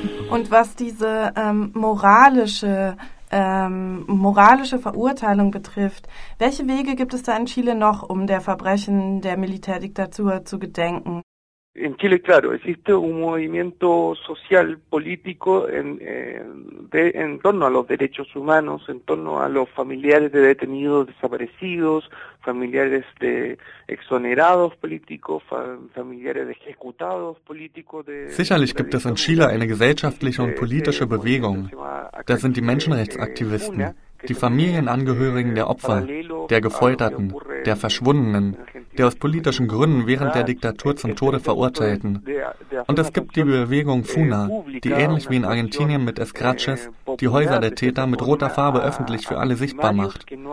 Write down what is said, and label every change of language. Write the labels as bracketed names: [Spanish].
[German] Und was diese moralische Verurteilung betrifft. Welche Wege gibt es da in Chile noch, um der Verbrechen der Militärdiktatur zu gedenken? [Spanish] In Chile, claro, existe un movimiento social político en torno a los derechos humanos, en torno a los familiares de detenidos desaparecidos, familiares de exonerados políticos, familiares de ejecutados políticos. [German] Sicherlich gibt es in Chile eine gesellschaftliche und politische Bewegung. Da sind die Menschenrechtsaktivisten, die Familienangehörigen der Opfer, der Gefolterten, der Verschwundenen, der aus politischen Gründen während der Diktatur zum Tode Verurteilten. Und es gibt die Bewegung FUNA, die ähnlich wie in Argentinien mit Escraches die Häuser der Täter mit roter Farbe öffentlich für alle sichtbar macht.